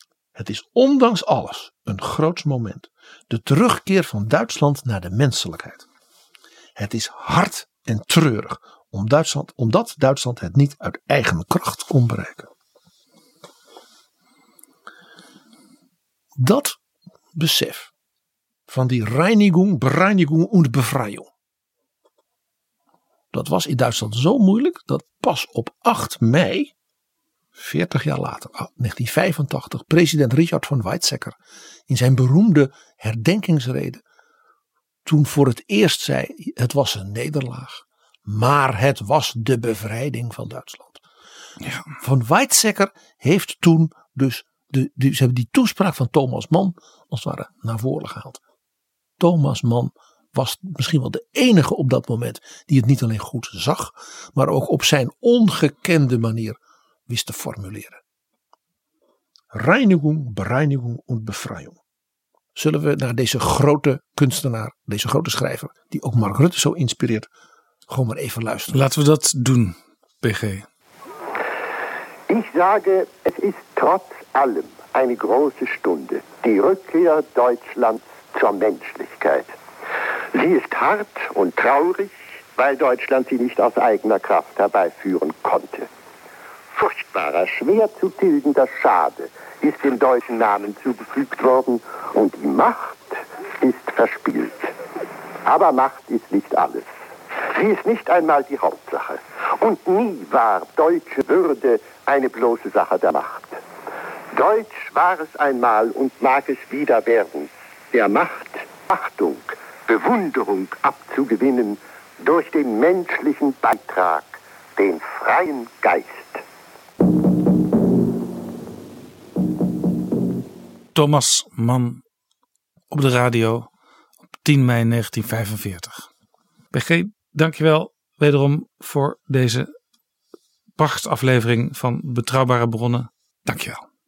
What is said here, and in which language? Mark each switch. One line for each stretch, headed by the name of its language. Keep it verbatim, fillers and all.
Dutch: Het is ondanks alles een groots moment. De terugkeer van Duitsland naar de menselijkheid. Het is hard en treurig om Duitsland, omdat Duitsland het niet uit eigen kracht kon bereiken. Dat besef van die
German: Reinigung, Bereinigung und Befreiung.
Dutch: Dat was in Duitsland zo moeilijk dat pas op acht mei, veertig jaar later, negentien vijfentachtig, president Richard von Weizsäcker in zijn beroemde herdenkingsrede toen voor het eerst zei, het was een nederlaag, maar het was de bevrijding van Duitsland. Ja. Von Weizsäcker heeft toen dus, de, de, ze hebben die toespraak van Thomas Mann als het ware naar voren gehaald. Thomas Mann was misschien wel de enige op dat moment die het niet alleen goed zag, maar ook op zijn ongekende manier wist te formuleren.
German: Reinigung, Bereinigung und Befreiung.
Dutch: Zullen we naar deze grote kunstenaar, deze grote schrijver, die ook Mark Rutte zo inspireert, gewoon maar even luisteren. Laten we dat doen, P G.
German: Ik sage, es ist trotz allem eine große Stunde. Die Rückkehr Deutschlands zur Menschlichkeit. Sie ist hart und traurig, weil Deutschland sie nicht aus eigener Kraft herbeiführen konnte. Furchtbarer, schwer zu tilgender Schade ist dem deutschen Namen zugefügt worden und die Macht ist verspielt. Aber Macht ist nicht alles. Sie ist nicht einmal die Hauptsache. Und nie war deutsche Würde eine bloße Sache der Macht. Deutsch war es einmal und mag es wieder werden. Der Macht Achtung, Bewunderung abzugewinnen durch den menschlichen Beitrag, den freien Geist.
Dutch: Thomas Mann op de radio op tien mei negentien vijfenveertig. B G, dankjewel wederom voor deze prachtaflevering van Betrouwbare Bronnen. Dankjewel.